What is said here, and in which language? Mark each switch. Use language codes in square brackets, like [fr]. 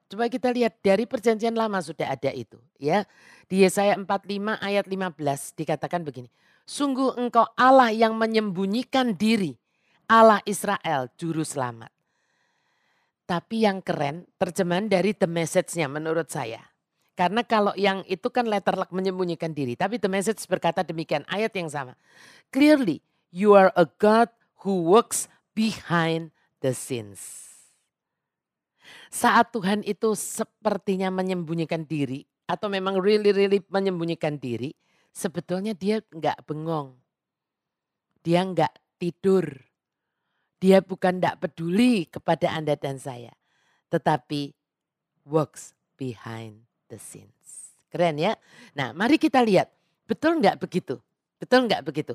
[id] Coba kita lihat dari perjanjian lama sudah ada itu. Ya, di Yesaya 45 ayat 15 dikatakan begini. Sungguh engkau Allah yang menyembunyikan diri. Allah Israel, juru selamat. Tapi yang keren terjemahan dari The Message-nya menurut saya. Karena kalau yang itu kan letter luck menyembunyikan diri. Tapi The Message berkata demikian ayat yang sama. [en] Clearly you are a God who works behind the scenes. [id] Saat Tuhan itu sepertinya menyembunyikan diri atau memang really menyembunyikan diri, sebetulnya dia enggak bengong. Dia enggak tidur. Dia bukan enggak peduli kepada Anda dan saya, tetapi [en] works behind the scenes. [id] Keren ya? Nah, mari kita lihat, betul enggak begitu? Betul enggak begitu?